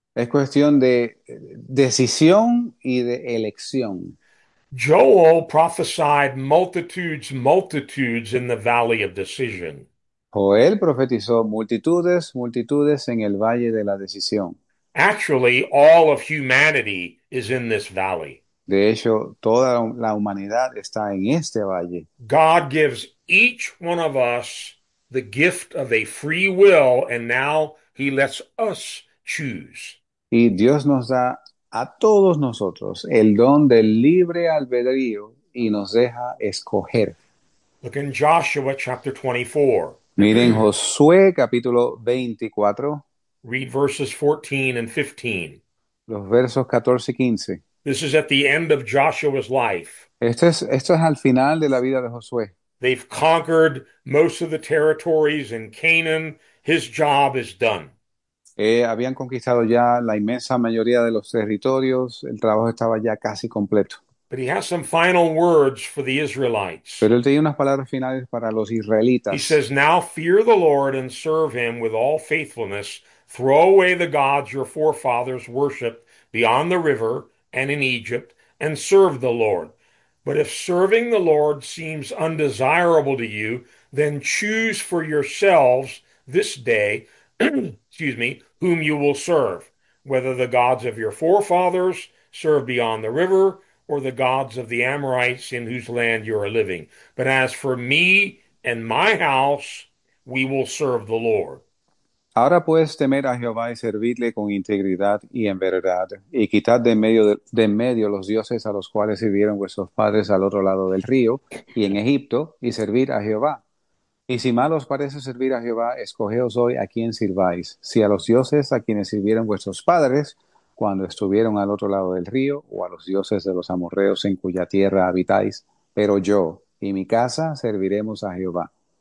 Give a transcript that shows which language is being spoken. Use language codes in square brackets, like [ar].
[es] Es cuestión de decisión y de elección. [en] Joel prophesied multitudes, multitudes in the valley of decision. [es] Joel profetizó multitudes, multitudes en el valle de la decisión. [en] Actually, all of humanity is in this valley. [es] De hecho, toda la humanidad está en este valle. [en] God gives each one of us the gift of a free will, and now he lets us choose. [es] Y Dios nos da a todos nosotros el don del libre albedrío y nos deja escoger. [en] Look in Joshua chapter 24. [es] Miren Josué capítulo 24, [en] Read verses 14 and 15. [es] los versos 14 y 15. [en] This is at the end of Joshua's life. [es] Esto es al final de la vida de Josué. [en] They've conquered most of the territories in Canaan. His job is done. [es] Habían conquistado ya la inmensa mayoría de los territorios, el trabajo estaba ya casi completo. [en] But he has some final words for the Israelites. [es] Pero él tenía unas palabras finales para los [en] He [es] israelitas. [en] says, "Now fear the Lord and serve him with all faithfulness. Throw away the gods your forefathers worshipped beyond the river and in Egypt, and serve the Lord. But if serving the Lord seems undesirable to you, then choose for yourselves this day, excuse me, whom you will serve, whether the gods of your forefathers serve beyond the river, or the gods of the Amorites in whose land you are living. But as for me and my house, we will serve the Lord." [es] Ahora pues temed a Jehová y servidle con integridad y en verdad, y quitad de en medio los dioses a los cuales sirvieron vuestros padres al otro lado del río y en Egipto, y servid a Jehová. Y si mal os parece servir a Jehová, escogeos hoy a quién sirváis, si a los dioses a quienes sirvieron vuestros padres cuando estuvieron al otro lado del río, o a los dioses de los amorreos en cuya tierra habitáis, pero yo y mi casa serviremos a Jehová.